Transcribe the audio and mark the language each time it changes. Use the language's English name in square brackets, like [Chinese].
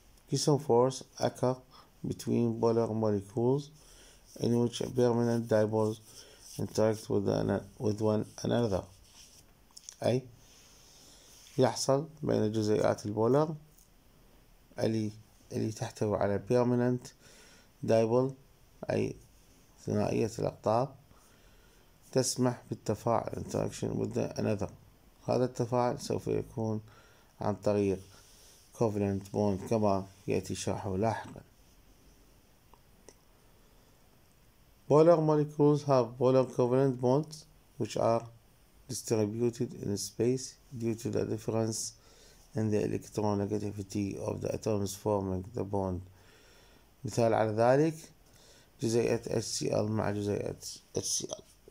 [English] Keesom forces occur between polar molecules in which permanent dipoles interact with one another، [Arabic] أي يحصل بين جزيئات البولر اللي تحتوي على [English] permanent dipole، [Arabic] أي ثنائية الأقطاب تسمح بالتفاعل [English] interaction with another. [Arabic] هذا التفاعل سوف يكون عن طريق [English] covalent bond [Arabic] كما يأتي شرحه لاحقا. [English] Polar molecules have polar covalent bonds which are distributed in space due to the difference in the electronegativity of the atoms forming the bond. [Arabic] مثال على ذلك جزيئة HCl مع جزيئة HCl.